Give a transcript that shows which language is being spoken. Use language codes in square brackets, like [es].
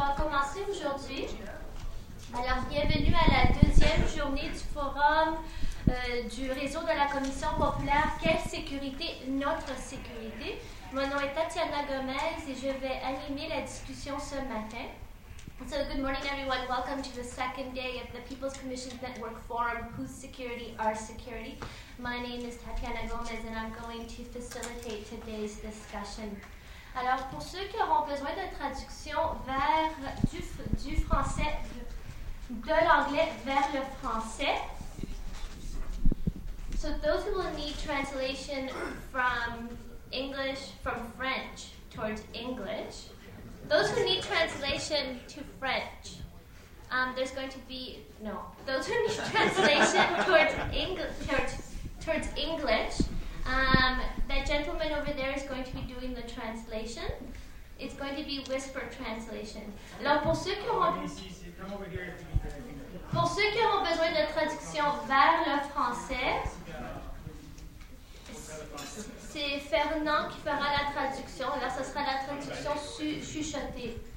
[fr] Alors, bienvenue à la deuxième journée du forum du réseau de la Commission populaire « Quelle sécurité, notre sécurité ». Mon nom est Tatiana Gomez et je vais animer la discussion ce matin. [en] So, good morning, everyone. Welcome to the second day of the People's Commission's Network Forum, Whose Security, Our Security. My name is Tatiana Gomez and I'm going to facilitate today's discussion. [fr] Alors, pour ceux qui auront besoin de traduction vers du français, de l'anglais vers le français. [en] So, those who will need translation from English, from French towards English. Those who need translation to French, there's going to be, no. Those who need translation towards English, that gentleman over there is going to be doing the translation. It's going to be whisper translation. [fr] Alors, pour ceux qui auront besoin de traduction vers le français, c'est Fernand qui fera la traduction. Alors, ce sera la traduction chuchotée.